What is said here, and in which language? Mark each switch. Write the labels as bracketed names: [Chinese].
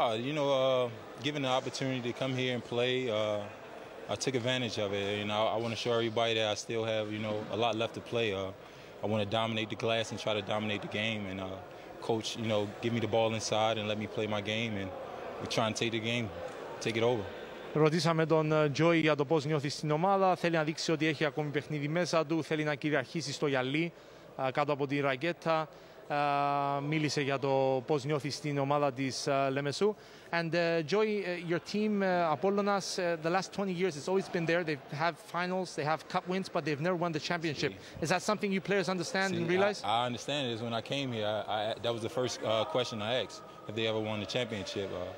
[English] You know, given the opportunity to come here and play, I took advantage of it. You know, I want to show everybody that I still have, you know, a lot left to play. I want to dominate the glass and try to dominate the game. And coach, you know, give me the ball inside and let me play my game. And we try and take the game, take it over. [Greek] Ρωτήσαμε τον Joey για το πώς νιώθει στην ομάδα. Θέλει να δείξει ότι έχει ακόμη παιχνίδι μέσα του. Θέλει να κυριαρχήσει στο γυαλί κάτω από τη ρακέτα. Μίλησε για το πώς νιώθει στην ομάδα της Λεμεσού. [English] And Joey, your team, Apollonas, the last 20 years, it's always been there. They have finals, they have cup wins, but they've never won the championship. See, is that something you players understand and realize? I understand it. When I came here, that was the first question I asked, if they ever won the championship.